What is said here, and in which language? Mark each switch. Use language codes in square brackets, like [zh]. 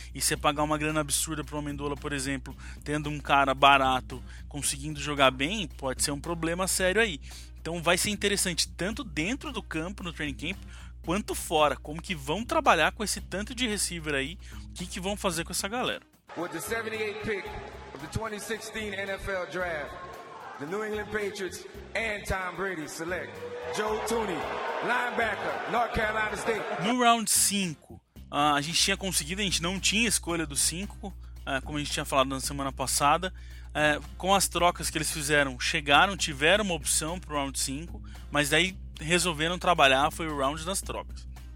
[pt] E você pagar uma grana absurda pro Amendola, por exemplo, tendo um cara barato conseguindo jogar bem, pode ser um problema sério aí. Então vai ser interessante tanto dentro do campo, no training camp, quanto fora, como que vão trabalhar com esse tanto de receiver aí, o que que vão fazer com essa galera. [en] With the 78th pick of the 2016 NFL Draft, the New England Patriots and Tom Brady select Joe Tooney, linebacker, North Carolina State. [pt] No round 5, a gente tinha conseguido, a gente não tinha escolha do 5, como a gente tinha falado na semana passada. Com as trocas que eles fizeram, chegaram, tiveram uma opção pro round 5, mas daí resolveram trabalhar, foi o round das trocas.